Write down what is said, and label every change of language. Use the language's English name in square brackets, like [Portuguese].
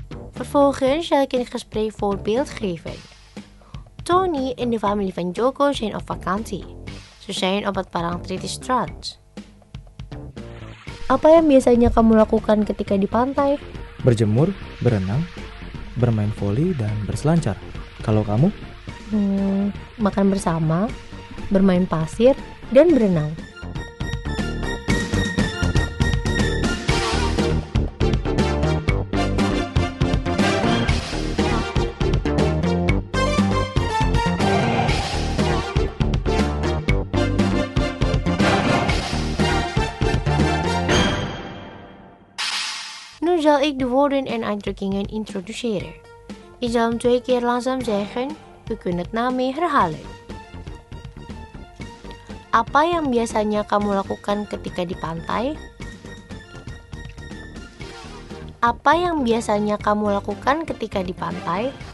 [Dutch] Vervolgens zal ik een gesprek voorbeeld geven. Tony en de familie van Joko zijn op vakantie. Ze zijn op het Parangtritis strand. [Indonesian] Apa yang biasanya kamu lakukan ketika di pantai? Berjemur, berenang, bermain voli, dan berselancar. Kalau kamu? Makan bersama, bermain pasir, dan berenang. [Dutch] zal ik de woorden en uitdrukkingen introduceren. Ik zal hem twee keer langzaam zeggen, u kunt het na mij herhalen. [Indonesian] Apa yang biasanya kamu lakukan ketika di pantai? Apa yang biasanya kamu lakukan ketika di pantai?